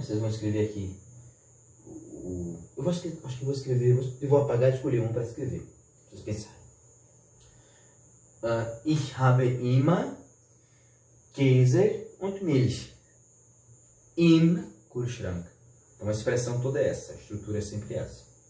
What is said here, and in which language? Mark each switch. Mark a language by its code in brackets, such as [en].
[pt] Vocês vão escrever aqui. Eu acho que vou escrever. Eu vou apagar e escolher um para escrever. Vocês pensarem. [de] Ich habe immer Käse und Milch im Kühlschrank. [pt] Então, a expressão toda é essa. A estrutura é sempre essa.